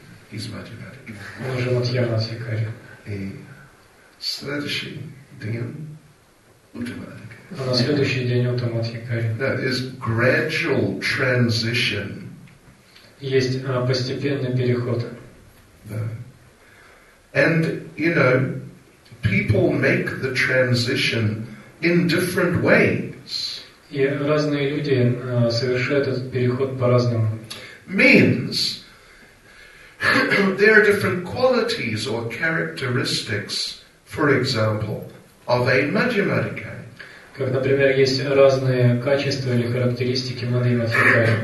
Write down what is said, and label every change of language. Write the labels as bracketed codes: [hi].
[en] he is Madhyama Adhikari. [ru] Он уже Матхьяма Адхикари. И следующий день Уттама Адхикари. А на следующий день Уттама Адхикари. [en] No, there is gradual transition. [ru] Есть постепенный переход. Да. [en] And, you know, people make the transition in different ways. [ru] И разные люди совершают этот переход по-разному. [en] Means there are different qualities or characteristics, for example, of a Madhyama Adhikari. [ru] Как, например, есть разные качества или характеристики Мадхьяма Адхикари.